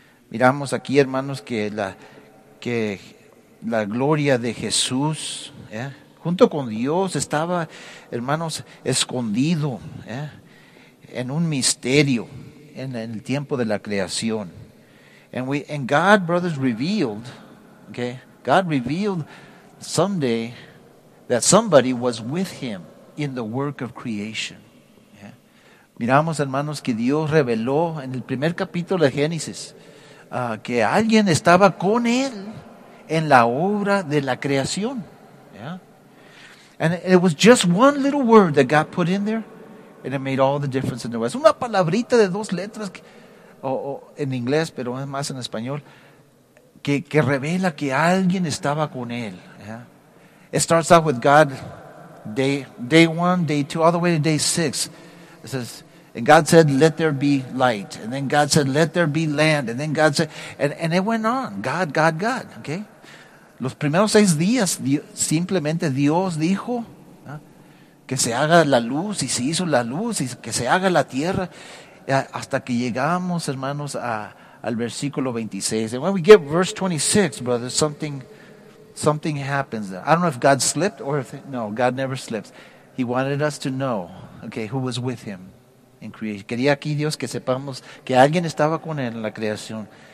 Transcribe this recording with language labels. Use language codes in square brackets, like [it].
[es] Miramos aquí, hermanos, que la gloria de Jesús, junto con Dios, estaba, hermanos, escondido, en un misterio, en el tiempo de la creación. [en] And God, brothers, revealed, okay, God revealed someday that somebody was with him in the work of creation. [es] Miramos, hermanos, que Dios reveló en el primer capítulo de Génesis que alguien estaba con Él en la obra de la creación. [en] Yeah. And it was just one little word that God put in there, and it made all the difference in the world. [es] Es una palabrita de dos letras, en inglés, pero es más en español, que revela que alguien estaba con Él. [en] Yeah. It starts out with God, day one, day two, all the way to day six. It says, and God said, let there be light. And then God said, let there be land. And then God said, and it went on. God, God, God. Okay? [es] Los primeros seis días, simplemente Dios dijo, que se haga la luz, y se hizo la luz, y que se haga la tierra. Hasta que llegamos, hermanos, al versículo 26. [en] And when we get verse 26, brothers, something happens. I don't know if God slipped or if, no, God never slips. He wanted us to know, okay, who was with him in creation. [es] Quería aquí Dios que sepamos que alguien estaba con él en la creación.